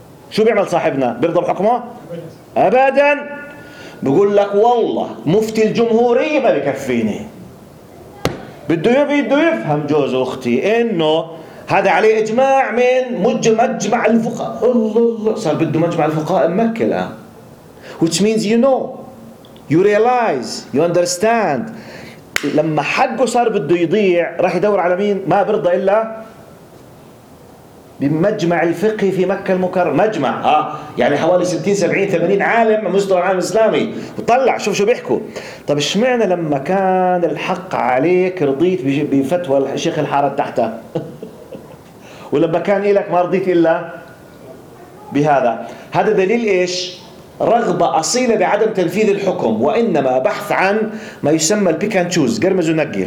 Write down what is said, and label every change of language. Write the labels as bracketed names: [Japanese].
[Arabic] شو بيعمل صاحبنا؟ بيرضى بحكمه؟ أبدا. بقول لك والله مفتي الجمهورية ما بيكفيني، بده يفهم جوز أختي إنه هذا عليه إجماع من مجمع الفقهاء. الله صار بده مجمع الفقهاء بمكة الآن. [English] Which means you know, you realize, you understand. [Arabic] لما حقه صار بده يضيع راح يدور على مين؟ ما برضى إلا بمجمع الفقه في مكة المكرمة. مجمع يعني حوالي 60-70-80 عالم مستوى عالم إسلامي، وطلع شوف شو بيحكوا. طب شمعنا لما كان الحق عليك رضيت بفتوى الشيخ الحارة تحته، ولما كان إلك ما رضيت إلا بهذا؟ هذا دليل إيش؟ رغبة أصيلة بعدم تنفيذ الحكم، وإنما بحث عن ما يسمى [English] البيكان تشوز، [Arabic] قرمز ونقي.